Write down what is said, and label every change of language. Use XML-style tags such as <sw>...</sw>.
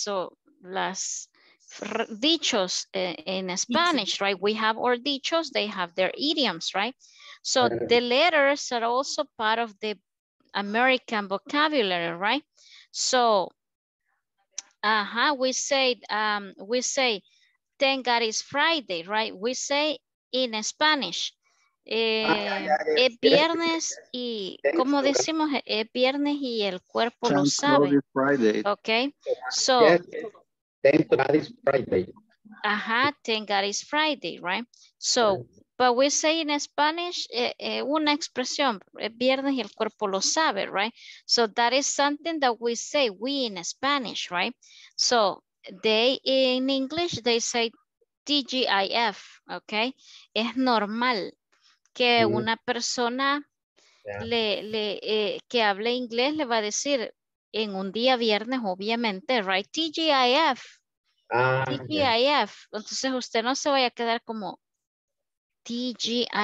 <en>So</en> <es>las dichos</es> <en>in Spanish, right? We have our dichos, they have their idioms, right? So the letters are also part of the American vocabulary, right? So we say thank God it's Friday, right? We say in Spanish,</en> <es>es viernes y, ¿cómo decimos? Es viernes y el cuerpo lo sabe.</es> <en>Okay, so. Thank God it's Friday. Ajá, thank God it's Friday, right? So, but we say in Spanish,</en> <es>una expresión, es viernes y el cuerpo lo sabe,</es> <en>right? So that is something that we say, we in Spanish, right? So they, in English, they say TGIF, okay?</en> <es>Es normal que una persona que hable inglés le va a decir en un día viernes, obviamente,</es> <en>right?</en> <es>TGIF. TGIF.</es> <en>Yeah.</en> <es>Entonces usted no se vaya a quedar como TGIF.</es>